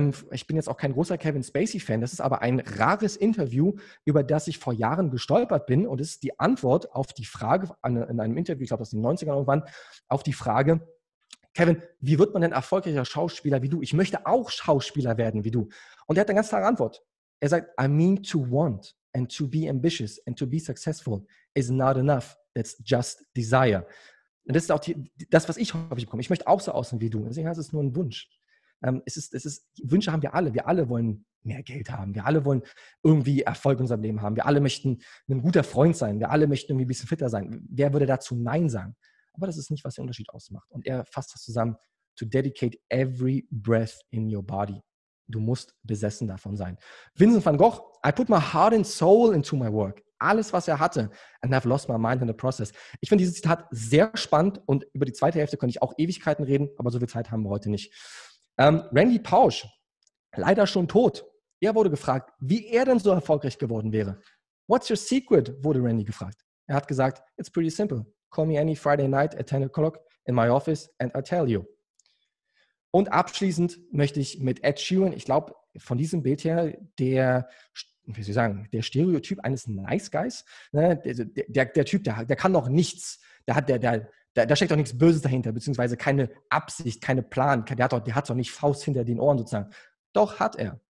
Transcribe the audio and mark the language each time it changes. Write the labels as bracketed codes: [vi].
[de] Ich bin jetzt auch kein großer Kevin Spacey-Fan. Das ist aber ein rares Interview, über das ich vor Jahren gestolpert bin. Und es ist die Antwort auf die Frage, in einem Interview, ich glaube, das ist in den 90ern irgendwann, auf die Frage, Kevin, wie wird man denn erfolgreicher Schauspieler wie du? Ich möchte auch Schauspieler werden wie du. Und er hat eine ganz klare Antwort. Er sagt, [en] I mean to want and to be ambitious and to be successful is not enough. That's just desire. [de] Und das ist auch das, was ich häufig bekomme. Ich möchte auch so aussehen wie du. Deswegen heißt es nur ein Wunsch. Wünsche haben wir alle. Wir alle wollen mehr Geld haben. Wir alle wollen irgendwie Erfolg in unserem Leben haben. Wir alle möchten ein guter Freund sein. Wir alle möchten irgendwie ein bisschen fitter sein. Wer würde dazu Nein sagen? Aber das ist nicht, was den Unterschied ausmacht. Und er fasst das zusammen. [en] To dedicate every breath in your body. [de] Du musst besessen davon sein. [en] Vincent van Gogh, I put my heart and soul into my work. [de] Alles, was er hatte, [en] and I've lost my mind in the process. [de] Ich finde dieses Zitat sehr spannend und über die zweite Hälfte könnte ich auch Ewigkeiten reden, aber so viel Zeit haben wir heute nicht. Randy Pausch, leider schon tot. Er wurde gefragt, wie er denn so erfolgreich geworden wäre. [en] What's your secret, [de] wurde Randy gefragt. Er hat gesagt, [en] it's pretty simple. Call me any Friday night at 10 o'clock in my office and I'll tell you. [de] Und abschließend möchte ich mit Ed Sheeran, ich glaube, von diesem Bild her, der Stereotyp eines Nice Guys, ne, der Typ, der kann doch nichts, der steckt doch nichts Böses dahinter, beziehungsweise keine Absicht, keine Plan, der hat doch nicht Faust hinter den Ohren sozusagen. Doch hat er.